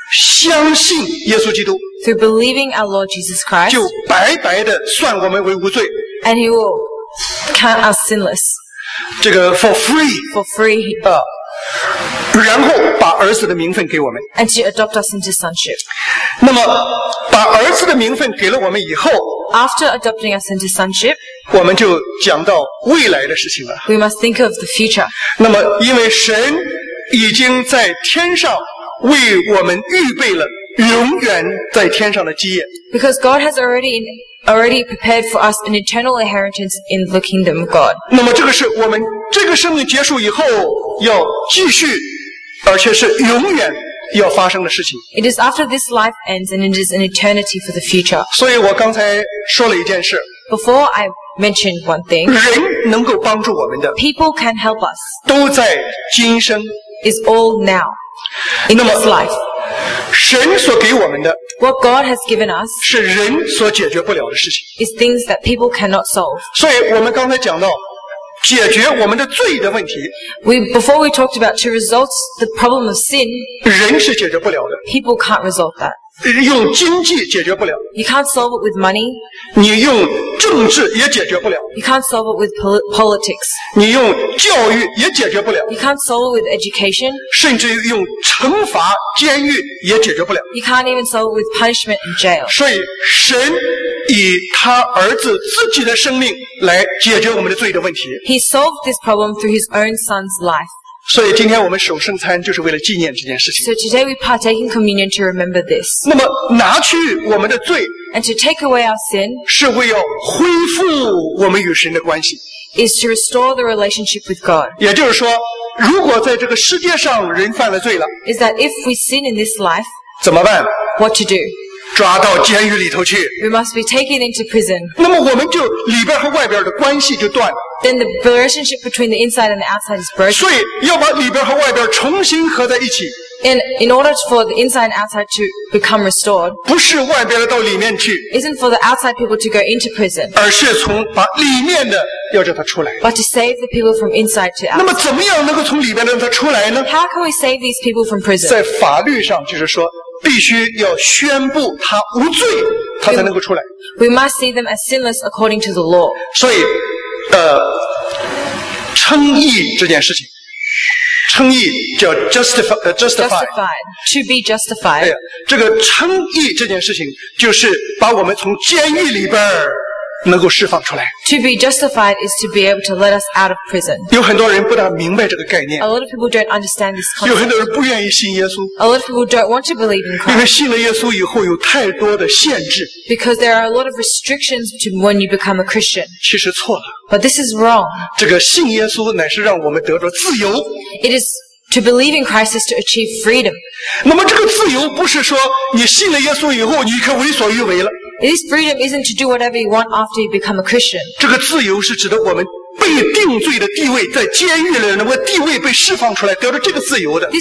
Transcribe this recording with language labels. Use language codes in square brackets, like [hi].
[zh] 相信耶稣基督。 [en] Through believing our Lord Jesus Christ. [zh] 就白白的算我们为无罪。 [en] And He will count us sinless. 这个 for free. For free. [zh] 然后把儿子的名分给我们 [en] and to adopt us into sonship [zh] 那么把儿子的名分给了我们以后 [en] after adopting us into sonship [zh] 我们就讲到未来的事情了 [en] we must think of the future [zh] 那么因为神已经在天上为我们预备了永远在天上的基业 [en] because God has already prepared for us an eternal inheritance in the kingdom of God [zh] 那么这个是我们这个生命结束以后要继续而且是永远要发生的事情 [en] It is after this life ends and it is an eternity for the future [zh] 所以我刚才说了一件事 [en] Before I mentioned one thing [zh] 人能够帮助我们的 [en] People can help us [zh] 都在今生 [en] Is all now In this life [zh] 神所给我们的 [en] What God has given us [zh] 是人所解决不了的事情 [en] Is things that people cannot solve [zh] 所以我们刚才讲到解决我们的罪的问题 [en] Before we talked about to resolve the problem of sin [zh] 人是解决不了的 [en] People can't resolve that [zh] 用经济解决不了。 [en] You can't solve it with money. [zh] 你用政治也解决不了。 [en] You can't solve it with politics. [zh] 你用教育也解决不了。 [en] You can't solve it with education. [zh] 甚至用惩罚、监狱也解决不了。 [en] You can't even solve it with punishment and jail. [zh] 所以神以他儿子自己的生命来解决我们的罪的问题。 [en] He solved this problem through his own son's life. [zh] 所以今天我们守圣餐就是为了纪念这件事情。 [en] So today we partake in communion to remember this. [zh] 那么拿去我们的罪 [en] and to take away our sin [zh] 是为要恢复我们与神的关系。 [en] Is to restore the relationship with God. [zh] 也就是说，如果在这个世界上人犯了罪了 [en] is that if we sin in this life, [zh] 怎么办 [en] what to do? [zh] 抓到监狱里头去。 [en] We must be taken into prison. [zh] 那么我们就里边和外边的关系就断了。 [en] Then the relationship between the inside and the outside is broken. [zh] 所以要把里边和外边重新合在一起。 [en] And in order for the inside and outside to become restored, [zh] 不是外边到里面去。 [en] Isn't for the outside people to go into prison. [zh] 而是从把里面的要叫他出来。 [en] But to save the people from inside to outside. [zh] 那么怎么样能够从里边让他出来呢 [en] ？How can we save these people from prison? [zh] 在法律上就是说。必须要宣布他无罪，他才能够出来。 [en] We must see them as sinless according to the law. [zh] 所以，称义这件事情，称义叫 justified, [en] to be justified.、 [zh] 哎、这个称义这件事情，就是把我们从监狱里边能够释放出来。 [en] To be justified is to be able to let us out of prison. [zh] 有很多人不大明白这个概念。 [en] A lot of people don't understand this concept. [zh] 有很多人不愿意信耶稣。 [en] A lot of people don't want to believe in Christ. [zh] 因为信了耶稣以后有太多的限制。 [en] Because there are a lot of restrictions to when you become a Christian. [zh] 其实错了。 [en] But this is wrong. [zh] 这个信耶稣乃是让我们得着自由。 [en] It is to believe in Christ is to achieve freedom. [zh] 那么这个自由不是说你信了耶稣以后你可为所欲为了。 [en] This freedom isn't to do whatever you want after you become a Christian. [zh] 这个自由是指的我们被定罪的地位，在监狱里的地位被释放出来，得到这个自由的。